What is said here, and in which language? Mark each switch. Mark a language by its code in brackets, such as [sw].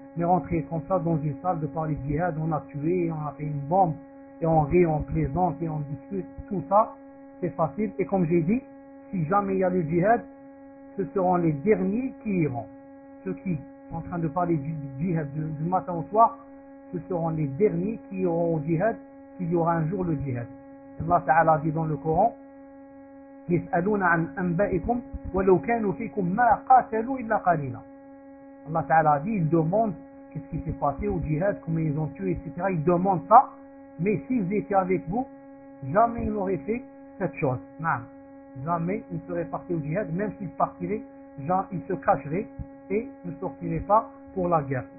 [fr] Mais rentrer comme ça dans une salle de parler djihad, on a tué, on a fait une bombe et on rit, on plaisante et on discute, tout ça, c'est facile. Et comme j'ai dit, si jamais il y a le djihad, ce seront les derniers qui iront. Ceux qui sont en train de parler du djihad du matin au soir, ce seront les derniers qui iront au djihad, qu'il y aura un jour le djihad. Allah Ta'ala dit dans le Coran, [ar] يَسْأَلُونَ عَنْ أَنْبَائِكُمْ وَلَوْ كَانُوا فِيكُمْ مَا قَاتَلُوا إِلَّا قَلِيلًا. [fr] Allah Ta'ala dit, ils demandent qu'est-ce qui s'est passé au djihad, comment ils ont tué, etc. Ils demandent ça, mais s'ils étaient avec vous, jamais ils n'auraient fait cette chose. Non. Jamais ils ne seraient partis au djihad, même s'ils partiraient, genre, ils se cacheraient et ne sortiraient pas pour la guerre.